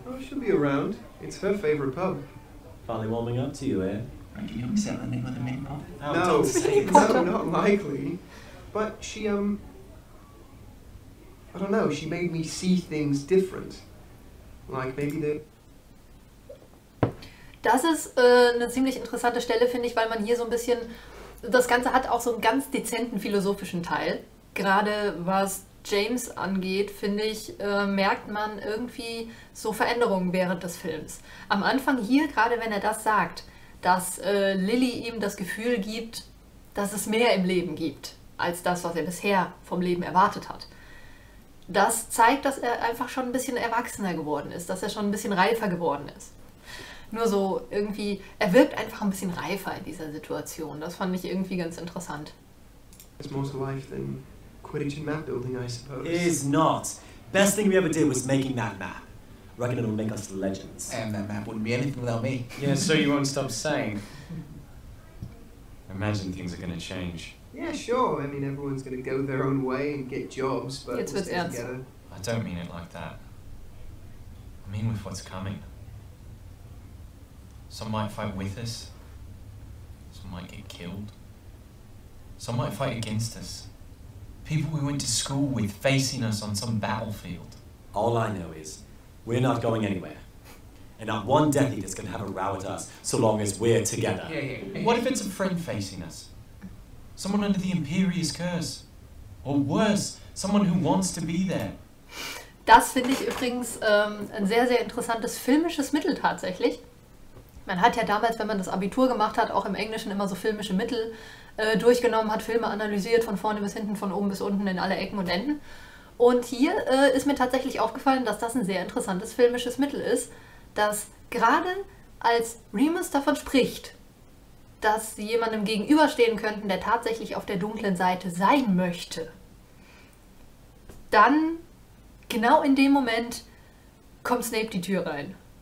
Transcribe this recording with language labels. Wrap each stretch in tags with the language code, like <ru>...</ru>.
<en>Oh, she'll be around. It's her favorite pub. Finally warming up to you, eh? Is that the name of the main pub? No, not likely. But she, I don't know, she made me see things different. Like, maybe the...</en> <de>Das ist eine ziemlich interessante Stelle, finde ich, weil man hier so ein bisschen... Das Ganze hat auch so einen ganz dezenten philosophischen Teil. Gerade was James angeht, finde ich, merkt man irgendwie so Veränderungen während des Films. Am Anfang hier, gerade wenn er das sagt, dass Lily ihm das Gefühl gibt, dass es mehr im Leben gibt, als das, was er bisher vom Leben erwartet hat. Das zeigt, dass er einfach schon ein bisschen erwachsener geworden ist, dass er schon ein bisschen reifer geworden ist. Nur so irgendwie, er wirkt einfach ein bisschen reifer in dieser Situation. Das fand ich irgendwie ganz interessant.</de> <en>It's more to life than Quidditch and map building, I suppose. It is not. Best thing we ever did was making that map. Reckon it'll make us legends. And that map wouldn't be anything without me. Yeah, so you won't stop saying. Imagine things are gonna change. Yeah, sure. I mean, everyone's gonna go their own way and get jobs, but we'll stay together. I don't mean it like that. I mean with what's coming. Some might fight with us. Some might get killed. Some might fight against us. People we went to school with facing us on some battlefield. All I know is, we're not going anywhere. And not one Death Eater's gonna have a row with us so long as we're together. Yeah. What if it's a friend facing us? Someone under the Imperius Curse? Or worse, someone who wants to be there?</en> <de>Das finde ich übrigens ein sehr, sehr interessantes filmisches Mittel tatsächlich. Man hat ja damals, wenn man das Abitur gemacht hat, auch im Englischen immer so filmische Mittel durchgenommen, hat Filme analysiert von vorne bis hinten, von oben bis unten, in alle Ecken und Enden. Und hier ist mir tatsächlich aufgefallen, dass das ein sehr interessantes filmisches Mittel ist, dass gerade als Remus davon spricht, dass sie jemandem gegenüberstehen könnten, der tatsächlich auf der dunklen Seite sein möchte, dann genau in dem Moment kommt Snape die Tür rein.</de>